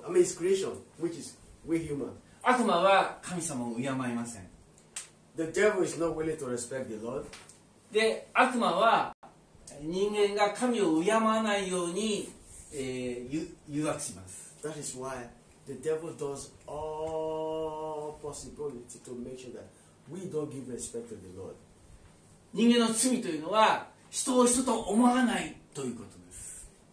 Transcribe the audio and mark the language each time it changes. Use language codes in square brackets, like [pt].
[en] I mean His creation, which is we human. [ja] 悪魔は神様を敬いません。 [en] The devil is not willing to respect the Lord. [ja] で、悪魔は人間が神を敬わないように、誘惑します。 [en] That is why the devil does all possibility to make sure that we don't give respect to the Lord. [ja] 人間の罪というのは人を人と思わないということです。